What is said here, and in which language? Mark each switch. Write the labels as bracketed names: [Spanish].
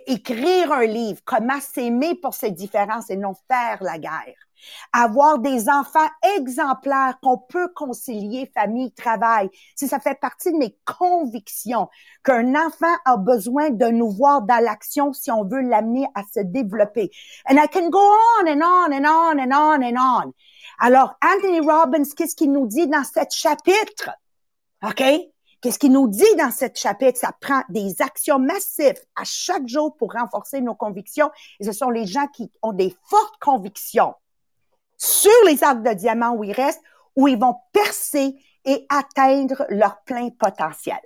[French] Écrire un livre, comment s'aimer pour ses différences et non faire la guerre. Avoir des enfants exemplaires qu'on peut concilier famille, travail. Si ça fait partie de mes convictions qu'un enfant a besoin de nous voir dans l'action si on veut l'amener à se développer. [English] And I can go on and on and on and on and on. [French] Alors, Anthony Robbins, qu'est-ce qu'il nous dit dans cet chapitre? OK? Qu'est-ce qu'il nous dit dans cet chapitre? Ça prend des actions massives à chaque jour pour renforcer nos convictions. Et ce sont les gens qui ont des fortes convictions sur les arcs de diamant où ils restent, où ils vont percer et atteindre leur plein potentiel.